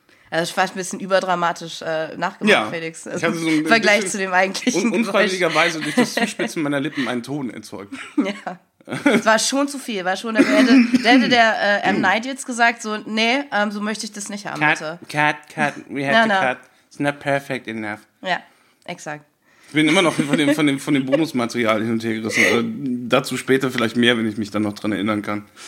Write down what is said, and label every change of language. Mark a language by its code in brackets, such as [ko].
[de] Also das war ein bisschen überdramatisch nachgemacht, ja. Felix. Also ich hatte so im Vergleich zu dem eigentlichen Geräusch. Unfreiwilligerweise durch das Zuspitzen meiner Lippen einen Ton erzeugt. Ja. Es war schon zu viel. Der hätte der M. Night jetzt gesagt, so, nee, so möchte ich das nicht haben. [en] Cut, we have to cut. It's not perfect enough. [de] Ja, exakt. Ich bin immer noch von dem Bonusmaterial hin und her gerissen. Dazu später vielleicht mehr, wenn ich mich dann noch dran erinnern kann.